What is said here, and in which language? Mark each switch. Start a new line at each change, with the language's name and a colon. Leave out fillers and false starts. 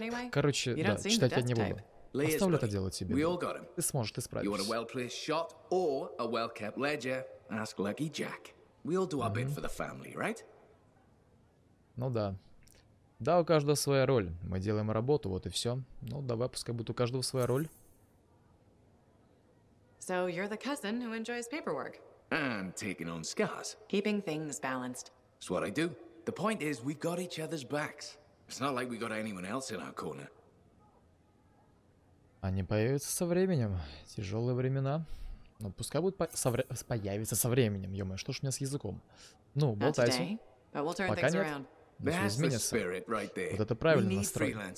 Russian: Короче, да, читать я не буду. Оставлю это дело тебе. Ты сможешь исправиться. Ну да. Да, у каждого своя роль. Мы делаем работу, вот и все. Ну, давай, пускай будет у каждого своя роль.
English: So you're the cousin who enjoys paperwork. And taking on scars. Keeping things balanced. That's what I do. The point is, we got each other's backs. It's not like we got anyone else in our corner.
Russian: Они появятся со временем. Тяжелые времена. Ну, пускай будут появиться со временем. Ё-моё, что ж у меня с языком? Ну, болтайся.
English: We'll
Russian: пока нет.
English: Around.
Russian: Но все изменится.
English: Right
Russian: вот это правильный настрой.